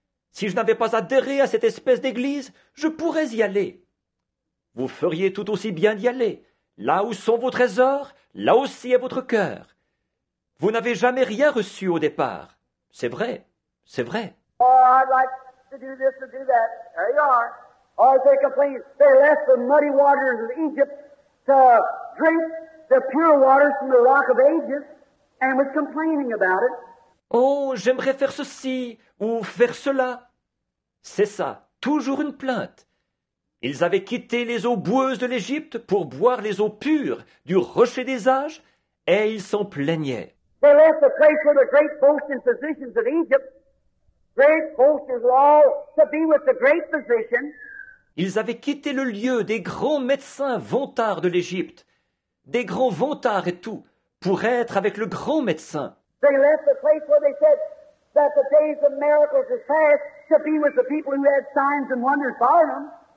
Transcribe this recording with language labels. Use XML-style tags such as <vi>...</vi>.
<fr>Si je n'avais pas adhéré à cette espèce d'église, je pourrais y aller. Vous feriez tout aussi bien d'y aller. Là où sont vos trésors, là aussi est votre cœur. Vous n'avez jamais rien reçu au départ. C'est vrai, c'est vrai.</fr> <en>Oh, I'd like to do this or do that. There you are. Oh, they complain. They left the muddy waters of Egypt to drink the pure waters from the rock of ages and was complaining about it.</en> <fr>Oh, j'aimerais faire ceci ou faire cela. C'est ça, toujours une plainte. Ils avaient quitté les eaux boueuses de l'Égypte pour boire les eaux pures du rocher des âges et ils s'en plaignaient.</fr> <en>They left the place where the great boasting physicians of Egypt, great boasters all, to be with the great physician.</en> <fr>Ils avaient quitté le lieu des grands médecins vantards de l'Égypte, des grands vantards et tout, pour être avec le grand médecin.</fr> <en>They left the place where they said that the days of miracles is past to be with the people who had signs and wonders by them.</en>